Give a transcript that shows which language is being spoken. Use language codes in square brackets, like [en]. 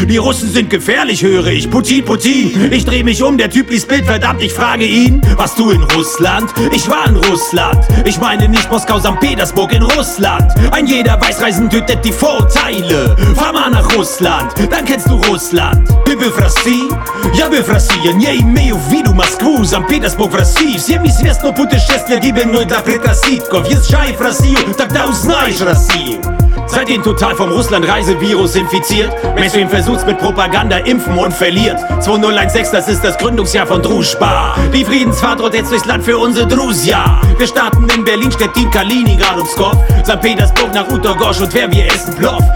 [de] Die Russen sind gefährlich, höre ich, Putin, Putin. Ich dreh mich um, der Typ liest Bild, verdammt, ich frage ihn. Warst du in Russland? Ich war in Russland. Ich meine nicht Moskau, St. Petersburg, in Russland. Ein jeder Weißreisen tötet die Vorurteile. Fahr mal nach Russland, dann kennst du Russland. [ru] Ты был в России? Я был в России. Не имею в виду Москву, Санкт-Петербург, в России. Всем известно путешествие гибельное для предрассудков. Езжай в Россию, тогда узнаешь Россию. [de] Seitdem total vom Russland-Reisevirus infiziert. Mainstream versucht's mit Propaganda, impfen und verliert. 2016, das ist das Gründungsjahr von Druzhba. Die Friedensfahrt rollt jetzt durchs Land für unsere Drusia. Wir starten in Berlin, Stettin, Kaliningrad und Pskov. St. Petersburg nach Utogorsch und wer wir essen Plov.